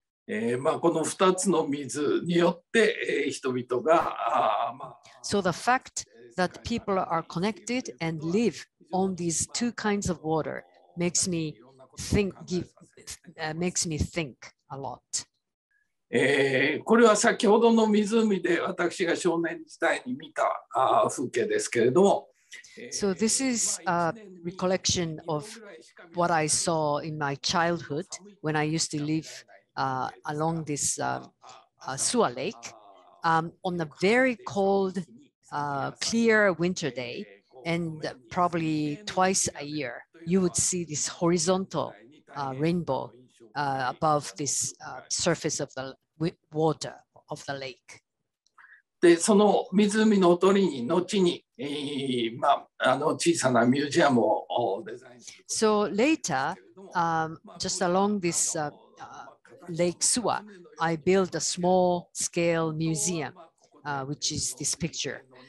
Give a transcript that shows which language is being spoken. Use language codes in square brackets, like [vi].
[en] So the fact that people are connected and live on these two kinds of water makes me think a lot. [ja] これは先ほどの湖で私が少年時代に見た風景ですけれども。 [en] So this is a recollection of what I saw in my childhood when I used to live along this Suwa Lake on a very cold, clear winter day, and probably twice a year, you would see this horizontal rainbow above this surface of the water of the lake. [ja] で、その湖のほとりに後に、まあ、あの小さなミュージアムをデザインする。 [en] So later, just along this Lake Suwa, I built a small-scale museum, which is this picture.